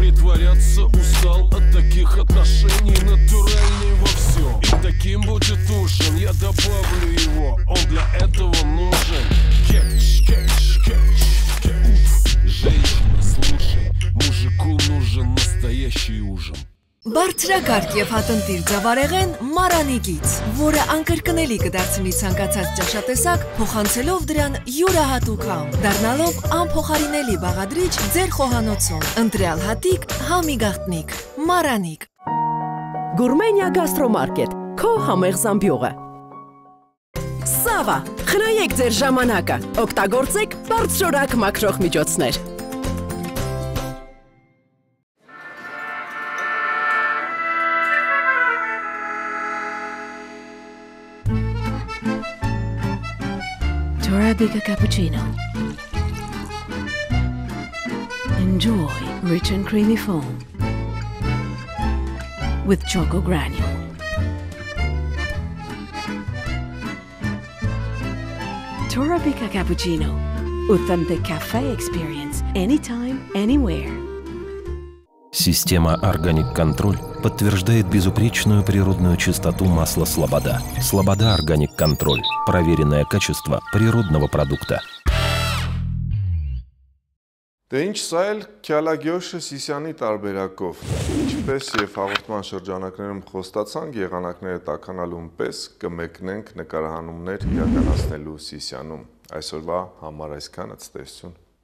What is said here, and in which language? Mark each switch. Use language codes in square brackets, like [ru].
[ru] Притворяться устал от таких отношений. Натуральный во всем, и таким будет ужин. Я добавлю его, он для этого нужен. Кетч, кетч, кетч, кетч. Женщина, слушай. Мужику нужен настоящий ужин. [hy] Բարձրակարգ եւ հատընտիր ձավարեղեն Մարանիգից, որը անկրկնելի կդարձնի ցանկացած ճաշատեսակ, փոխանցելով դրան յուրահատուկ համ, դառնալով անփոխարինելի բաղադրիչ ձեր խոհանոցում։ Ընտրյալ հատիկ, համի գաղտնիք, Մարանիգ։ Գուրմենիա Գաստրոմարկետ, քո համեղ զամբյուղը։ Սավա, խնայեք ձեր ժամանակը, օգտագործեք բարձրորակ մաքրող միջոցներ։ [en] Arabica cappuccino. Enjoy rich and creamy foam with choco granule. Torabica cappuccino. Authentic cafe experience anytime, anywhere. [ru] Система Organic Control подтверждает безупречную природную чистоту масла Слобода. Слобода Organic Control – проверенное качество природного продукта. [hy] Դե ինչ սա էլ քյալագյոշը Սիսյանի տարբերակով։ Ինչպես եւ հաղորդման շրջանակներում խոստացանք, եղանակները տականալուն պես կմեկնենք նկարահանումներ իրականացնելու Սիսյանում։ Այսօրվա համար այսքանը, ցտեսություն։